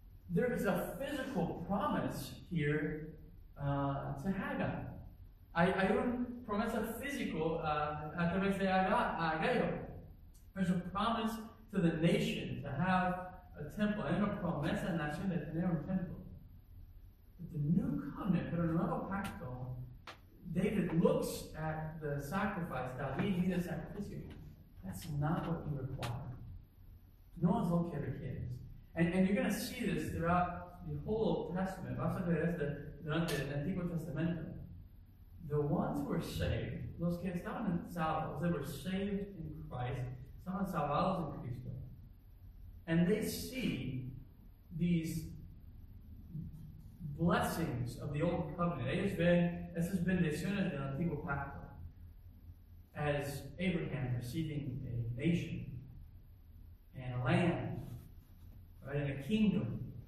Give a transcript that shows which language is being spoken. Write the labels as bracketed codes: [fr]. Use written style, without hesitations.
[en] There is a physical promise here to Haggai. [es] Hay una promesa física a través de Haggai. [en] There's a promise to the nation to have a temple. [es] Hay una promesa en la nación de tener un templo. [en] But the new covenant, [es] pero el nuevo pacto, [en] David looks at the sacrifice, David is a sacrificio. That's not what he required. [es] No es lo que requieres. [en] And you're going to see this throughout the whole Old Testament. [es] Vas a ver esto durante el Antiguo Testamento. [en] The ones who were saved, [es] los que estaban salvos, [en] they were saved in Christ, [es] estaban salvados en Cristo. [en] And they see these blessings of the Old Covenant. [es] Ellos ven esas bendiciones del Antiguo Pacto [en] as Abraham receiving a nation and a land. Right, in a kingdom.